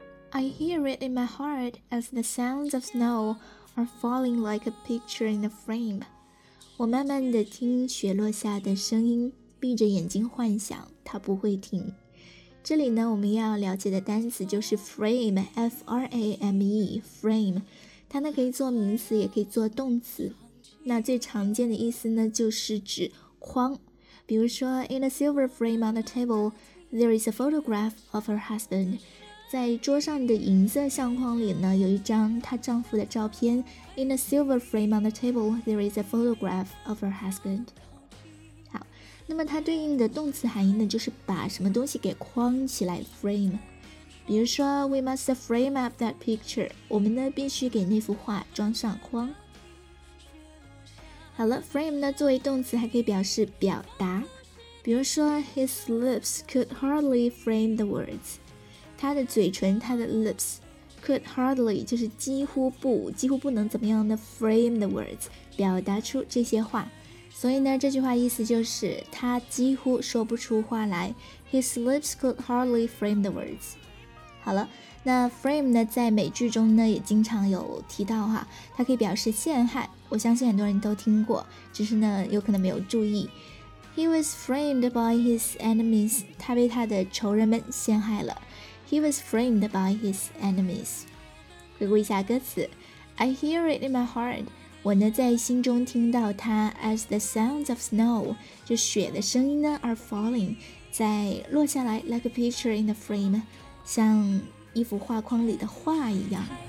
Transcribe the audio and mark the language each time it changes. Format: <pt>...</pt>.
<en>I hear it in my heart as the sounds of snow are falling like a picture in a frame.</en> <zh>我慢慢地听雪落下的声音，闭着眼睛幻想它不会停。这里呢，我们要了解的单词就是 frame， F-R-A-M-E， frame， 它呢可以做名词也可以做动词。</zh> <en>那最常见的意思呢就是指框，</en> <zh>比如说</zh> <en>in a silver frame on the table there is a photograph of her husband，</en> <zh>在桌上的银色相框里呢有一张她丈夫的照片。</zh> <en>In a silver frame on the table there is a photograph of her husband。</en> <zh>好，那么它对应的动词含义呢就是把什么东西给框起来， frame。比如说</zh> <en>We must frame up that picture，</en> <zh>我们呢必须给那幅画装上框。好了， frame 呢作为动词还可以表示表达，比如说</zh> <en>His lips could hardly frame the words，</en> <zh>他的嘴唇，他的 lips could hardly 就是几乎不能怎么样的 frame the words， 表达出这些话。所以呢这句话意思就是他几乎说不出话来，</zh> <en>His lips could hardly frame the words。</en> <zh>好了，那 frame 呢在美剧中呢也经常有提到哈，它可以表示陷害，我相信很多人都听过，只是呢有可能没有注意。</zh> <en>He was framed by his enemies，</en> <zh>他被他的仇人们陷害了。</zh> <en>He was framed by his enemies.</en> <zh>回顾一下歌词，</zh> <en>I hear it in my heart</en> <zh>我呢在心中听到它</zh> <en>as the sounds of snow,</en> <zh>就雪的声音呢</zh> <en>are falling,</en> <zh>在落下来</zh> <en>like a picture in a frame,</en> <zh>像一幅画框里的画一样。</zh>